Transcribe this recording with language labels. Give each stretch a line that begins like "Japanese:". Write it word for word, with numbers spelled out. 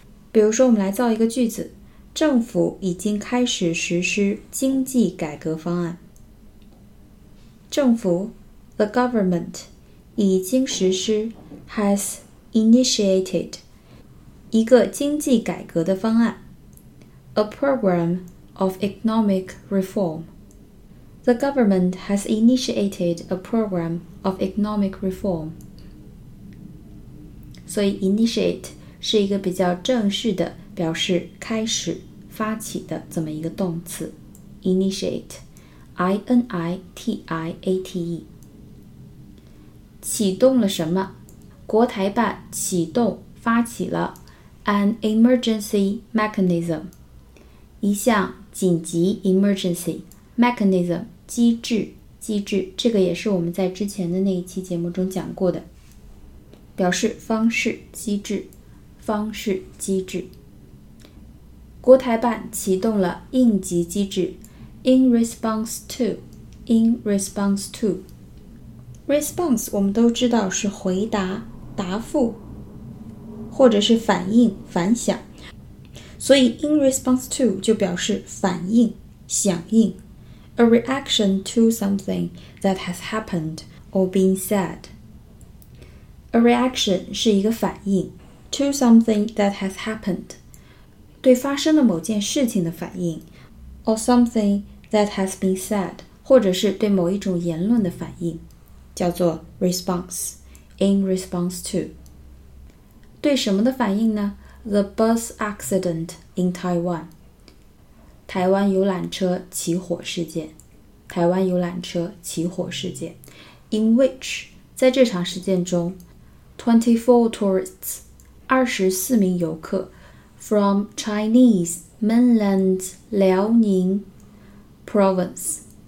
Chinese: 比如说我们来造一个句子政府已经开始实施经济改革方案政府 the government 已经实施 has initiated 一个经济改革的方案 a program of economic reform The government has initiated a program of economic reform. 所以 initiate 是一个比较正式的表示开始发起的这么一个动词 initiate I N I T I A T E 启动了什么国台办启动发起了 an emergency mechanism 一项紧急 emergency mechanism机制机制这个也是我们在之前的那一期节目中讲过的表示方式机制方式机制国台办启动了应急机制 in response to in response to response 我们都知道是回答答复或者是反应反响所以 in response to 就表示反应响应 A reaction to something that has happened or been said.
English: A reaction 是一个反应 to something that has happened.
Chinese: 对发生的某件事情的反应 or something that has been said 或者是对某一种言论的反应叫做 response, in response to.
English: 对什么的反应呢 The bus accident in Taiwan.
Chinese: 台湾游览车起火事件台湾游览车起火事件 in which 在这场事件中 twenty-four tourists 二十四名游客 from Chinese mainland Liaoning province